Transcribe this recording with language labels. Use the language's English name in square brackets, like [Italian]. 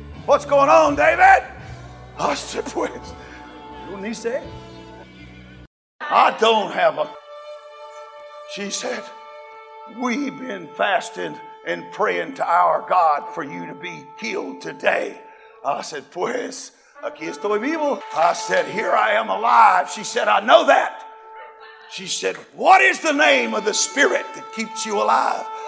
[English] What's going on, David? I said, pues, you need to say I don't have a... She said, we've been fasting and praying to our God for you to be killed today. I said, [Spanish] pues, aquí estoy vivo. [English] I said, here I am alive. She said, I know that. She said, what is the name of the spirit that keeps you alive?